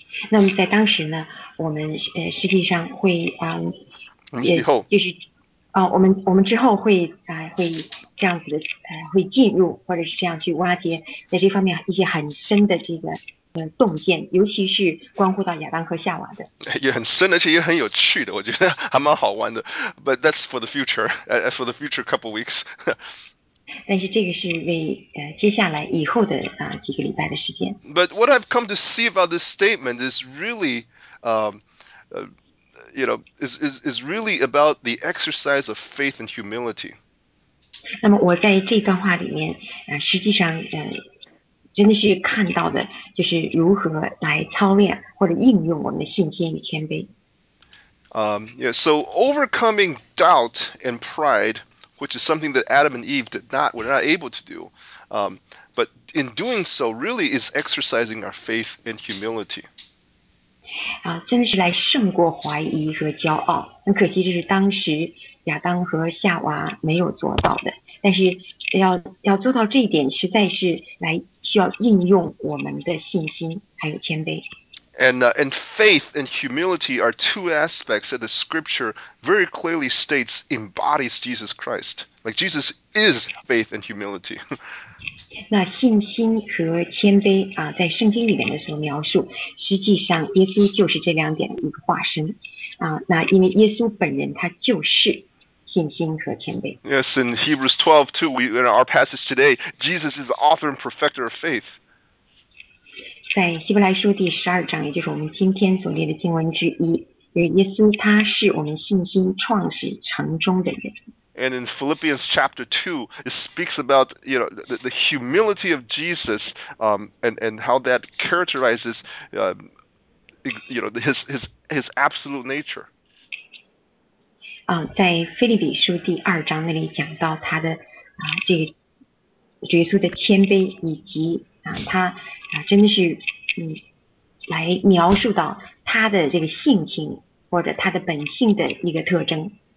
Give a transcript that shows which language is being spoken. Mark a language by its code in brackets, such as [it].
[zh] 那么在当时呢，我们实际上会我们之后会这样子的会进入或者是这样去挖掘在这方面一些很深的这个洞见，尤其是关乎到亚当和夏娃的。也很深，而且也很有趣的，我觉得还蛮好玩的。 [en] But that's for the future, for the future couple weeks. [zh] 但是这个是为接下来以后的几个礼拜的时间。 [en] But what I've come to see about this statement is really, you know, is really about the exercise of faith and humility. [zh] 那么我在这段话里面实际上真的是看到的就是如何来操练或者应用我们的信心与谦卑。 [en] So overcoming doubt and pride. Which is something that Adam and Eve were not able to do, but in doing so, really is exercising our faith and humility. [zh] 真的是来胜过怀疑和骄傲。很可惜，这是当时亚当和夏娃没有做到的。但是要做到这一点，实在是来需要应用我们的信心还有谦卑。 [en] And faith and humility are two aspects that the scripture very clearly states embodies Jesus Christ. Like Jesus is faith and humility. [zh] 那信心和谦卑啊，在圣经里面的时候描述，实际上耶稣就是这两点的一个化身啊。那因为耶稣本人他就是。 [en] Yes, in Hebrews 12, too, in our passage today, Jesus is the author and perfecter of faith. [zh] 在希伯来书第十二章，也就是我们今天所念的经文之一，耶稣他是我们信心创始成终的人。 [en] And in Philippians chapter 2, it speaks about, you know, the humility of Jesus, and how that characterizes, you know, his absolute nature. [zh] 在腓立比书第二章那里讲到他的这个耶稣的谦卑，以及他真的是来描述到他的这个性情或者他的本性的一个特征。